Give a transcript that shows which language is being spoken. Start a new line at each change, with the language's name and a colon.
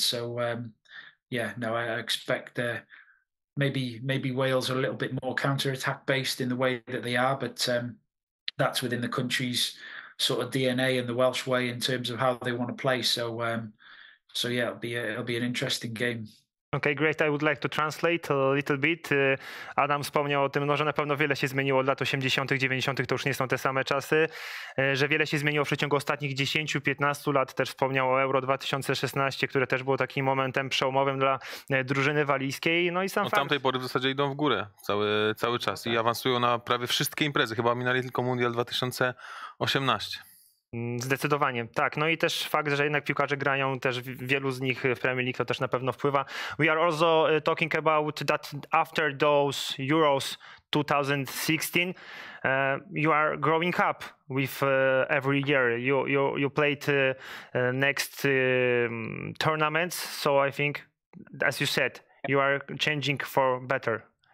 English: So, I expect Maybe Wales are a little bit more counter-attack based in the way that they are, but that's within the country's sort of DNA and the Welsh way in terms of how they want to play. So So yeah, it'll be an interesting game. Okay, great. I would like to translate a little bit.
Polish: Adam wspomniał o tym, no, że na pewno wiele się zmieniło od lat 80., 90. to już nie są te same czasy, że wiele się zmieniło w przeciągu ostatnich 10-15 lat. Też wspomniał o Euro 2016, które też było takim momentem przełomowym dla drużyny walijskiej. No i sam fakt. Tamtej pory w zasadzie idą w górę cały czas i awansują na prawie wszystkie imprezy. Chyba minęli tylko Mundial 2018. Zdecydowanie, tak. No i też fakt, że jednak piłkarze grają, też wielu z nich w Premier League, to też na pewno wpływa.
English: We are also talking about that after those Euros 2016, you are growing up with every year. You played next tournaments, so I think, as you said, you are changing for better.